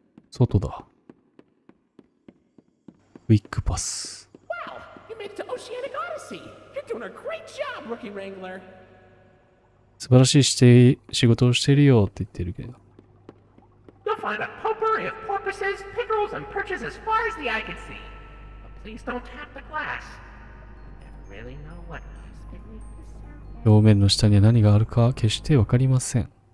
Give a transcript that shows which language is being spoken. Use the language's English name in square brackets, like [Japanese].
[Japanese] 外だ。ウィックパス。 [English] Wow! You made it to Oceanic Odyssey! You're doing a great job, Rookie Wrangler! [Japanese] 素晴らしい仕事をしているよって言ってるけど。 [English] You'll find a potpourri of porpoises, pickerels, and perches as far as the eye can see. But please don't tap the glass. You never really know what is beneath the surface. [Japanese] 表面の下に何があるか決してわかりません。